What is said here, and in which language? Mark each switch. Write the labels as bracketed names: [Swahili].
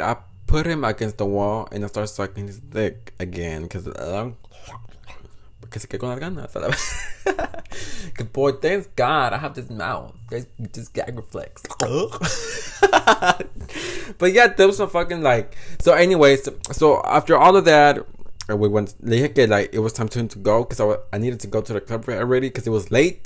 [English] I put him against the wall and I started sucking his dick again. [Spanish] Because se quedó con las ganas. [English] A la good boy, thanks God. I have this mouth. This gag reflex. But yeah, there was some fucking like. So, anyways, so after all of that. And we went, like, it was time for him to go because I needed to go to the club already because it was late.